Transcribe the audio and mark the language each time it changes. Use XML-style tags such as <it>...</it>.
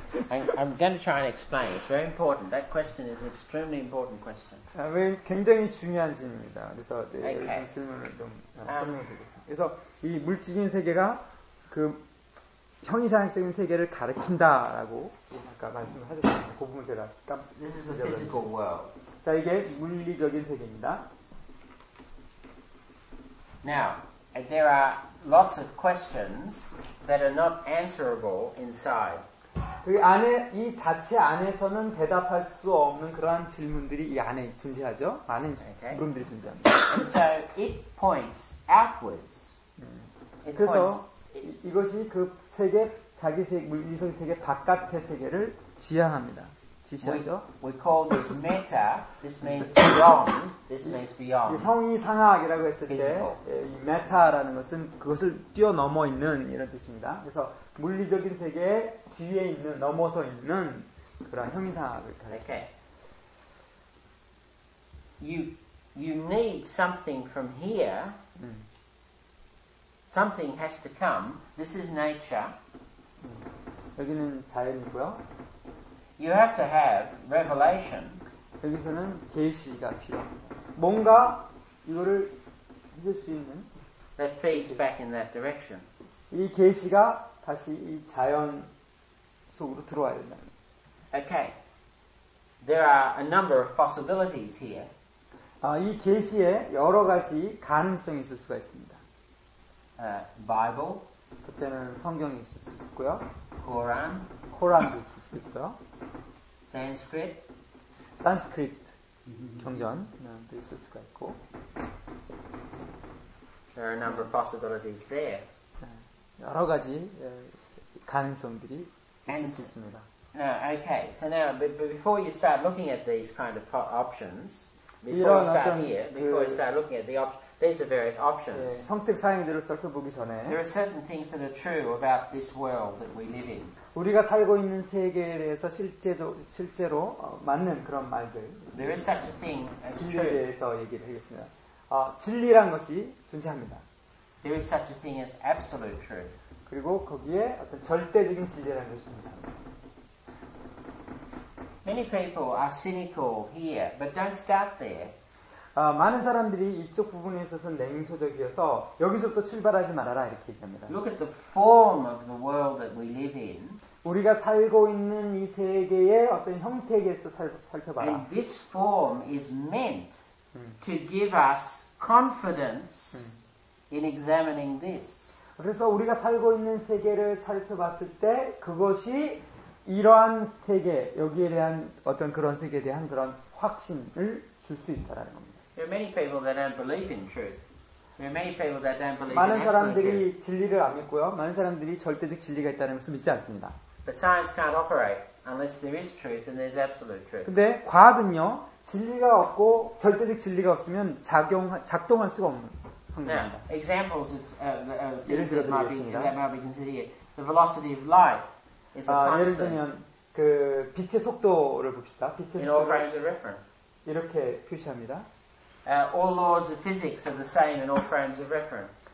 <en>I'm going to try and explain. It's very important. That question is an extremely important question.</en> <ko>굉장히 중요한 질문입니다. 그래서 네, okay. 이 질문을 좀 설명을 드리겠습니다. 그래서 이 물질인 세계가 그 형이상적인 세계를 가리킨다라고 지금 아까 말씀을 하셨습니다. 그 부분 제가</ko> <en>This is the physical world.</en> <ko>자, 이게 물리적인 세계입니다.</ko> <en>Now, there are lots of questions that are not answerable inside.</en> <ko>그 안에 이 자체 안에서는 대답할 수 없는 그러한 질문들이 이 안에 존재하죠. 많은 okay. 물음들이 존재합니다.</ko> <en>And so it points outwards. It</en> <ko>그래서</ko> <en>points,</en> <ko>이것이 그 세계 자기 세계 물리적 세계 바깥의 세계를 지향합니다. 지시하죠.</ko> <en>We call this meta. This means beyond. This means beyond.</en> <ko>형이상학이라고 했을 때 이 meta라는 것은 그것을 뛰어넘어 있는 이런 뜻입니다. 그래서 물리적인 세계 뒤에 있는 넘어서 있는 그런 형이상학을 가리켜.</ko> <en>Okay. You need something from here. Something has to come. This is nature.</en> <ko>여기는 자연이고요.</ko> <en>You have to have revelation.</en> <ko>여기서는 계시가 필요합니다. 뭔가 이거를 믿을 수 있는</ko> <en>that feeds back in that direction.</en> <ko>이 계시가 다시 이 자연 속으로 들어와야 된다.</ko> <en>Okay. There are a number of possibilities here.</en> <ko>이 계시에 여러 가지 가능성이 있을 수가 있습니다.</ko> <en>Bible.</en> <ko>첫째는 성경이 있을 수 있고요.</ko> <en>Quran.</en> <ko>코란도 있을 수 있고요.</ko> <en>Sanskrit.</en> <ko>Sanskrit. 경전도 있을 수가 있고.</ko> <en>There are a number of possibilities there.</en> <ko>여러 가지 가능성들이 있을 수 있습니다.</ko> <en>Okay, so now before you start looking at these kind of options, before you start here, before you start looking at the options, these are various options.</en> <ko>예, 선택 사항들을 살펴보기 전에,</ko> <en>there are certain things that are true about this world that we live in.</en> <ko>우리가 살고 있는 세계에 대해서 실제로 맞는 그런 말들.</ko> <en>There is such a thing as truth.</en> <ko>진리에 대해서 얘기를 하겠습니다. 진리란 것이 존재합니다.</ko> <en>There is such a thing as absolute truth.</en> <ko>그리고 거기에 어떤 절대적인 진리라는 것이 있습니다.</ko> <en>Many people are cynical here, but don't start there.</en> <ko>많은 사람들이 이쪽 부분에 있어서 냉소적이어서 여기서부터 출발하지 말아라 이렇게 얘기합니다.</ko> <en>Look at the form of the world that we live in.</en> <ko>우리가 살고 있는 이 세계의 어떤 형태에 대해서 살펴봐라.</ko> <en>And this form is meant to give us confidence. In examining this.</en> <ko>그래서 우리가 살고 있는 세계를 살펴봤을 때 그것이 이러한 세계 여기에 대한 어떤 그런 세계에 대한 그런 확신을 줄 수 있다라는 겁니다.</ko> <en>There are many people that don't believe in truth. There are many people that don't believe.</en> <ko>많은</ko> <en>in</en> <ko>사람들이</ko> <en>absolute truth.</en> <ko>진리를 안 믿고요. 많은 사람들이 절대적 진리가 있다는 것을 믿지 않습니다.</ko> <en>But science can't operate unless there is truth and there's absolute truth.</en> <ko>근데 과학은요 진리가 없고 절대적 진리가 없으면 작동할 수가 없는.</ko> <en>Now, examples of things that might be considered here. The velocity of light is a constant.</en> <ko>예를 들면 그 빛의 속도를 봅시다. 빛의</ko> <en>in all frames of reference.</en> <ko>이렇게 표시합니다.</ko> <en>All laws of physics are the same in all frames of reference.</en>